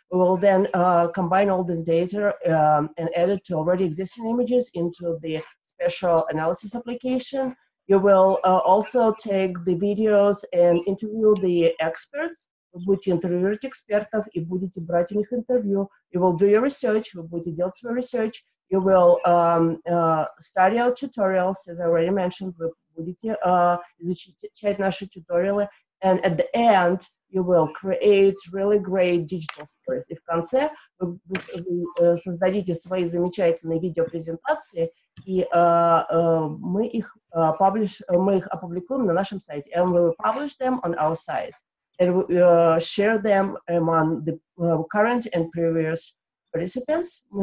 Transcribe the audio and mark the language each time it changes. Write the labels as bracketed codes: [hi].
[en] We will then combine all this data and add it to already existing images into the special analysis application. You will also take the videos and interview the experts. [ru] Вы будете интервьюировать экспертов и будете брать у них интервью. [en] You will do your research. [ru] Вы будете делать свой [en] research. You will study our tutorials, as I already mentioned. [ru] Вы будете изучать наши tutorials. [en] And at the end, you will create really great digital stories. [ru] И в конце вы создадите свои замечательные видеопрезентации, и мы их опубликуем на нашем сайте. [en] And we will publish them on our site. And share them among the current and previous participants.